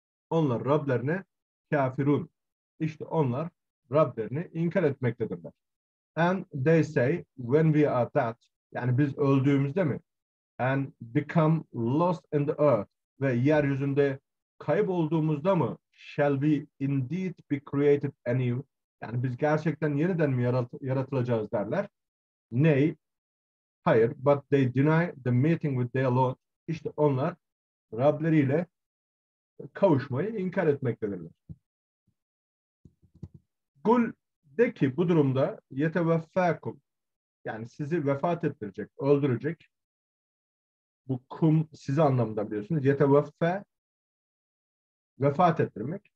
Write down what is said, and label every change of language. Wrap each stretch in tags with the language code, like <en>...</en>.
<tr>Onlar Rablerine kafirun. İşte onlar Rablerini inkar etmektedirler.</tr> <en>And they say when we are dead,</en> <tr>yani biz öldüğümüzde mi?</tr> <en>And become lost in the earth</en> <tr>ve yeryüzünde kaybolduğumuzda mı?</tr> <en>Shall we indeed be created anew?</en> <tr>Yani biz gerçekten yeniden mi yaratılacağız derler.</tr> <en>Nay,</en> <tr>hayır,</tr> <en>but they deny the meeting with their Lord.</en> <tr>İşte onlar Rableriyle kavuşmayı inkar etmektedirler. Kul de ki bu durumda yeteveffakum yani sizi vefat ettirecek, öldürecek. Bu kum sizi anlamında biliyorsunuz. Yeteveffe vefat ettirmek.</tr>